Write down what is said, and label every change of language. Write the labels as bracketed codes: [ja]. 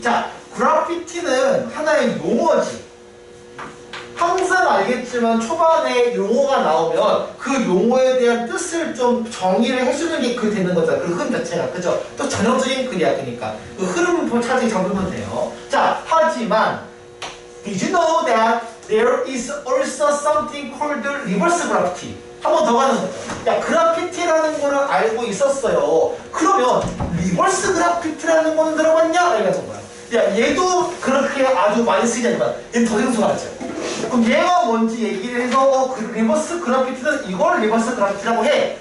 [ko] 자, graffiti는 하나의 용어지. 항상 알겠지만 초반에 용어가 나오면 그 용어에 대한 뜻을 좀 정의를 해주는 게 그 되는 거잖아. 그 흐름 자체가. 그죠? 또 전형적인 글이야. 그니까. 그 흐름을 찾으면 잡으면 돼요. 자, 하지만, [en] Did you know that there is also something called reverse graffiti? [ko] 한 번 더 가는 거죠. 야, 그래피티라는 거를 알고 있었어요. 그러면, 리버스 그래피티라는 건 들어봤냐? 이러면서 뭐야. 야, 얘도 그렇게 아주 많이 쓰이잖아. 얘는 더 생소하죠. 그럼 얘가 뭔지 얘기를 해서 그 리버스 그래피티는 이걸 리버스 그래피티라고 해!